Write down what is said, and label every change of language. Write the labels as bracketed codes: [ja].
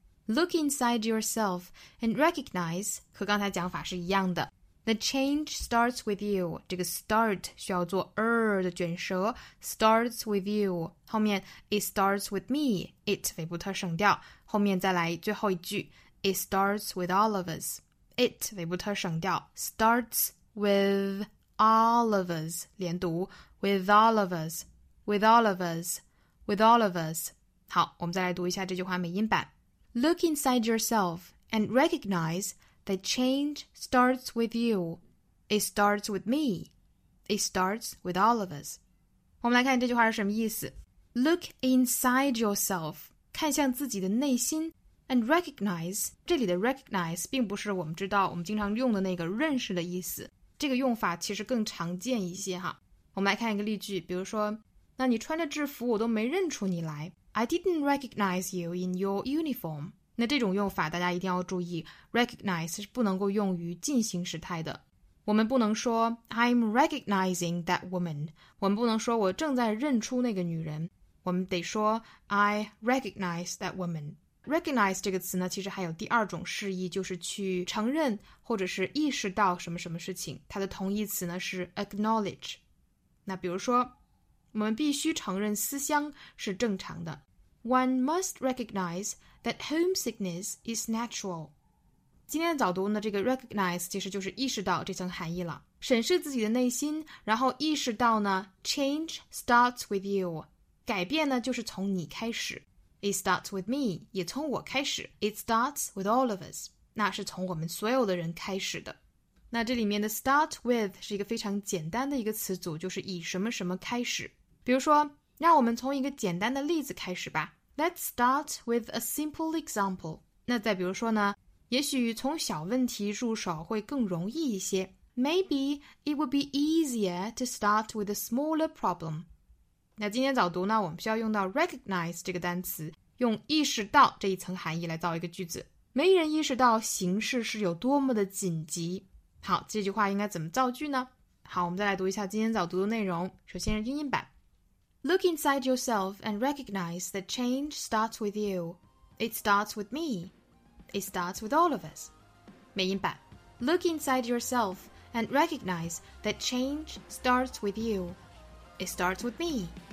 [en] Look inside yourself and recognize [zh] 和刚才讲法是一样的 [en] The change starts with you 这个 start 需要做 的卷舌 starts with you 后面 it starts with me it [zh] 尾部特省掉后面再来最后一句 [en] it starts with all of us it [zh] 尾部特省掉 [en] startswith all of us 连读 with all of us with all of us with all of us [zh] 好我们再来读一下这句话美音版 [en] Look inside yourself and recognize that change starts with you. It starts with me. It starts with all of us. [zh] 我们来看这句话是什么意思。 [en] Look inside yourself, [zh] 看向自己的内心 [en] and recognize, [zh] 这里的 recognize 并不是我们知道我们经常用的那个认识的意思。这个用法其实更常见一些哈。我们来看一个例句，比如说，那你穿着制服我都没认出你来。 [en] I didn't recognize you in your uniform. [zh] 那这种用法大家一定要注意 ,recognize 是不能够用于进行时态的。我们不能说 [en] I'm recognizing that woman. [zh] 我们不能说我正在认出那个女人。我们得说 [en] I recognize that woman. [zh] Recognize 这个词呢其实还有第二种释义，就是去承认或者是意识到什么什么事情。它的同义词呢是 acknowledge。那比如说我们必须承认思乡是正常的。 [en] One must recognize that homesickness is natural. [zh] 今天的早读呢，这个 recognize 其实就是意识到这层含义了。审视自己的内心，然后意识到呢 , [en] change starts with you. [zh] 改变呢就是从你开始。 [en] It starts with me, [zh] 也从我开始。 [en] It starts with all of us. [zh] 那是从我们所有的人开始的。那这里面的 start with 是一个非常简单的一个词组，就是以什么什么开始。比如说，让我们从一个简单的例子开始吧。 [en] Let's start with a simple example. [zh] 那再比如说呢，也许从小问题入手会更容易一些。 [en] Maybe it would be easier to start with a smaller problem. [zh] 那今天早读呢，我们需要用到 recognize 这个单词，用意识到这一层含义来造一个句子。没人意识到形势是有多么的紧急。好，这句话应该怎么造句呢？好，我们再来读一下今天早读的内容。首先是英音版。 [en] Look inside yourself and recognize that change starts with you. It starts with me. It starts with all of us. [zh] 美音版。 [en] Look inside yourself and recognize that change starts with you. It starts with me.